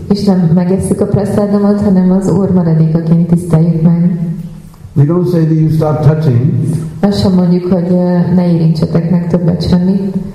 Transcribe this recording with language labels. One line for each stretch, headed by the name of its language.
Hungarian: És nem megesszük a prasadamot, hanem az Úr maradékaként tiszteljük meg.
English: We don't say that you stop touching.
Hungarian: Azt sem mondjuk, hogy ne érintsetek meg többet semmit.